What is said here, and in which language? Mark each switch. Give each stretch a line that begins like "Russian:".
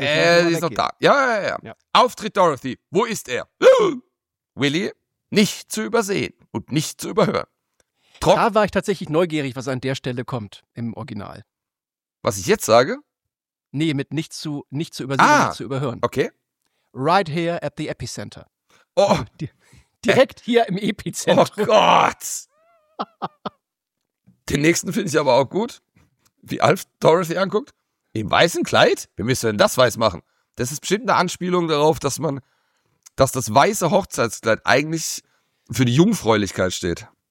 German: wieder weggeht. Sie ist noch da. Ja. Auftritt Dorothy, wo ist er? Willi, nicht zu übersehen und nicht zu überhören. Da war ich tatsächlich neugierig, was an der Stelle kommt im Original. Was ich jetzt sage? Nee, mit nicht zu übersehen, nicht zu überhören. Okay.
English: Right here at the Epicenter. Oh.
German: Direkt hier im Epizentrum. Oh Gott. Den nächsten finde ich aber auch gut. Wie Alf Dorothy anguckt. Im weißen Kleid? Wie müsst ihr denn das weiß machen? Das ist bestimmt eine Anspielung darauf, dass das weiße Hochzeitskleid eigentlich für die Jungfräulichkeit steht.